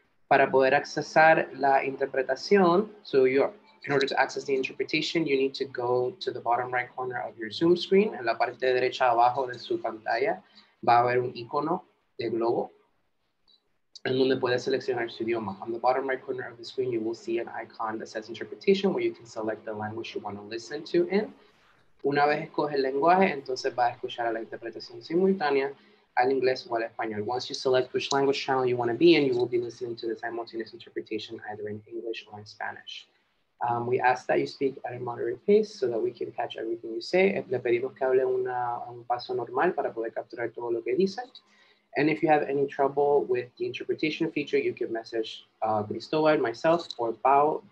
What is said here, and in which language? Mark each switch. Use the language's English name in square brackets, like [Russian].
[Spanish] Para poder accesar la interpretación, [English] in order to access the interpretation, you need to go to the bottom right corner of your Zoom screen. [Spanish] En la parte derecha abajo de su pantalla va a haber un icono de globo en donde puedes seleccionar su idioma. [English] On the bottom right corner of the screen, you will see an icon that says interpretation where you can select the language you want to listen to in. [Spanish] Una vez escoge el lenguaje, entonces va a escuchar a la interpretación simultánea al inglés o al español. [English] Once you select which language channel you want to be in, you will be listening to the simultaneous interpretation either in English or in Spanish. We ask that you speak at a moderate pace so that we can catch everything you say. [Spanish] Le pedimos que hable a un paso normal para poder capturar todo lo que dice. [English] And if you have any trouble with the interpretation feature, you can message Cristobal, myself, or Pau.